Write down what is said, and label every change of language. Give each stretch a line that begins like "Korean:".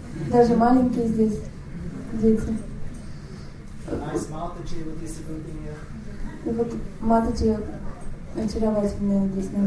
Russian: Даже маленькие здесь дети.
English: Nice Mataji with distributing here.
Russian: И вот Матаджи очаровательная здесь на